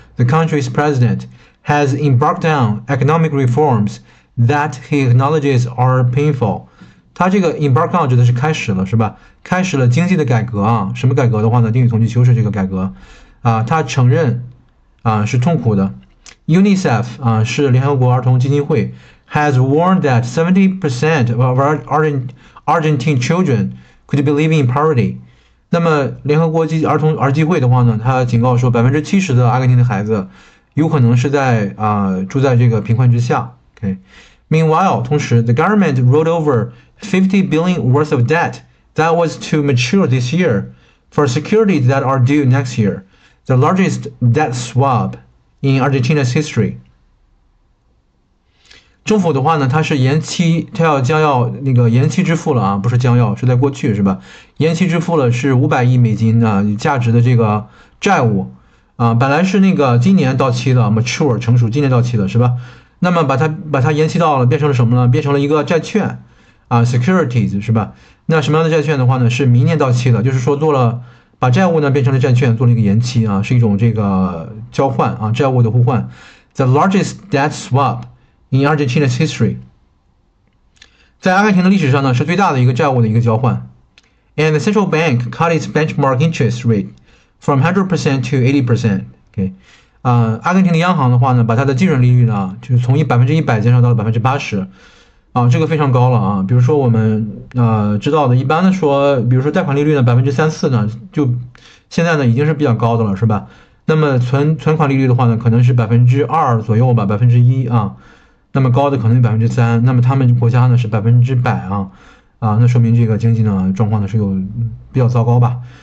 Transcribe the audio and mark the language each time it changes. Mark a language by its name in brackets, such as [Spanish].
[English] The country's president has embarked on economic reforms that he acknowledges are painful. [Chinese] 他这个 [English] embark on [Chinese] 指的是开始了，是吧，开始了经济的改革啊。什么改革的话呢，定语从句修饰这个改革他承认是痛苦的。 [English] UNICEF [Chinese] 是联合国儿童基金会 [English] has warned that 70% of Argentine children could be living in poverty. [Chinese] 那么联合国儿基会的话呢，他警告说70%的阿根廷的孩子有可能是在住在这个贫困之下。 [English] Okay. Meanwhile, [Chinese] 同时 [English] the government rolled over $50 billion worth of debt that was to mature this year for securities that are due next year, the largest debt swap. In Argentina's history, [Chinese] 政府的话呢，它是延期，它要将要那个延期支付了啊，不是将要，是在过去是吧？延期支付了是500亿美金的价值的这个债务本来是那个今年到期的 ，mature 成熟，今年到期的是吧？那么把它延期到了，变成了什么呢？变成了一个债券securities 是吧？那什么样的债券的话呢？是明年到期的，就是说做了。把债务呢变成了债券，做了一个延期是一种这个交换债务的互换。 [English] The largest debt swap in Argentina's history. [Chinese] 在阿根廷的历史上呢，是最大的一个债务的一个交换。 [English] And the central bank cut its benchmark interest rate from 100% to 80%. Okay. [Chinese] 阿根廷的央行的话呢，把它的基准利率呢，就是从100%减少到了80%。这个非常高了比如说我们知道的，一般的说，比如说贷款利率呢3-4%呢，就现在呢已经是比较高的了，是吧？那么存款利率的话呢，可能是2%左右吧，1%啊，那么高的可能3%，那么他们国家呢是100%那说明这个经济呢状况呢是有比较糟糕吧。